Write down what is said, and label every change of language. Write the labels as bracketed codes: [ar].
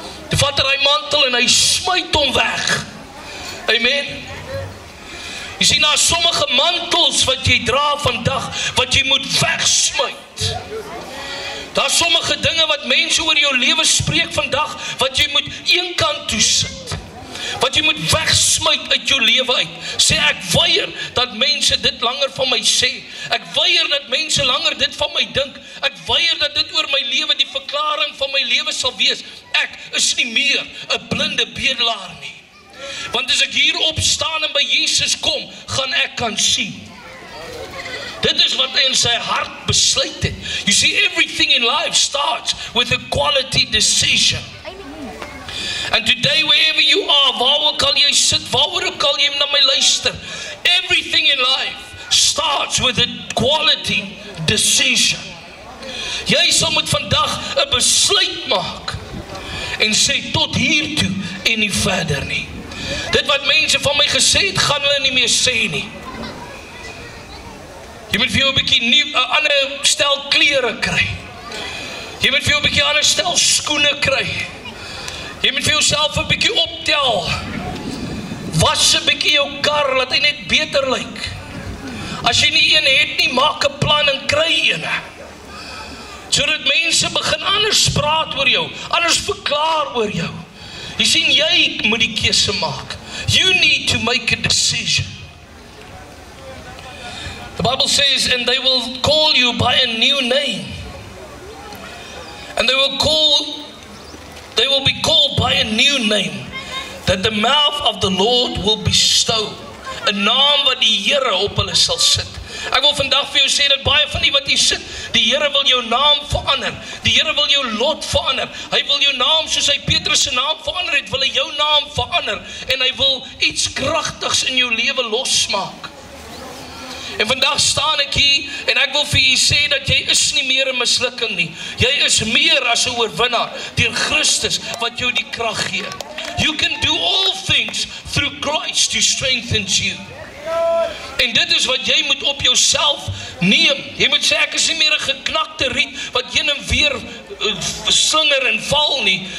[af] Toe vat hy die mantel en hy smuit hom weg. Amen. Jy sien, daar sommige mantels wat jy dra vandag, wat jy moet wegsmuit. Daar sommige dinge wat mense oor jou lewe spreek vandag, wat jy moet een kant toe sit. Wat jy moet wegsmuit uit jou lewe uit. Sê, ek weier dat mense dit langer van my sê. Ek weier dat mense langer dit van my dink. Ek weier dat dit oor my lewe die verklaring van my lewe sal wees. Ek is nie meer 'n blinde bedelaar nie. Want as ek hier opstaan en by Jesus kom, gaan ek kan sien. Dit is wat hy in sy hart besluit het. [en] You see, everything in life starts with a quality decision. And today, wherever you are, [af] waar kan jy sit, waar kan jy na my luister? [en] Everything in life starts with a quality decision. [af] Jy sal moet vandag 'n besluit maak en sê, tot hier toe en nie verder nie. Dit wat mense van my gesê het, gaan hulle nie meer sê nie. Jy moet vir jou 'n bietjie nuwe, 'n ander stel klere kry. Jy moet vir jou 'n bietjie ander stel skoene kry. Jy moet vir jouself 'n bietjie optel. Was 'n bietjie jou kar, laat hy net beter lyk. As jy nie een het nie, maak 'n plan en kry een. Sodat mense begin anders praat oor jou, anders verklaar oor jou. Jy sien, jy moet die keuse maak. [en] You need to make a decision. The Bible says, and they will call you by a new name. And they will be called by a new name that the mouth of the Lord will bestow. [af] 'N naam wat die Here op hulle sal sit. Ek wil vandag vir jou sê dat baie van die wat hier sit, die Here wil jou naam verander. Die Here wil jou lot verander. Hy wil jou naam, soos hy Petrus se naam verander het, wil hy jou naam verander. En hy wil iets kragtigs in jou lewe losmaak. En vandag staan ek hier en ek wil vir jou sê dat jy is nie meer 'n mislukking nie. Jy is meer as 'n oorwinnaar deur Christus wat jou die krag gee. [en] You can do all things through Christ who strengthens you. [af] En dit is wat jy moet op jouself neem. Jy moet sê, ek is nie meer 'n geknakte riet wat heen en weer slinger en val nie.